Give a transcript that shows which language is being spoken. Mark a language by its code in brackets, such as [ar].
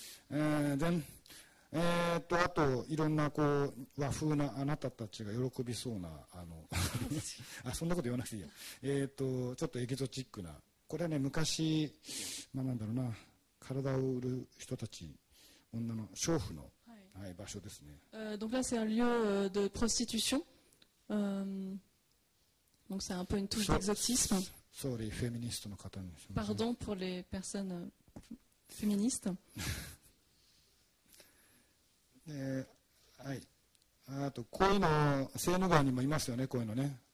[en] Then, [ja] あといろんなこう和風なあなたたちが喜びそうなあそんなこと言わなくていいや。ちょっとエキゾチックな。これはね昔、なんだろうな、体を売る人たち、女の娼婦の、はい、場所ですね。 [fr] Donc là c'est un lieu de prostitution. Donc c'est un peu une touche d'exotisme. [en] Sorry, [ja] féministe の方に。 [fr] Pardon pour les personnes féministes. [ja] はい。あとこういうのセーヌ川にもいますよね、こういうのね。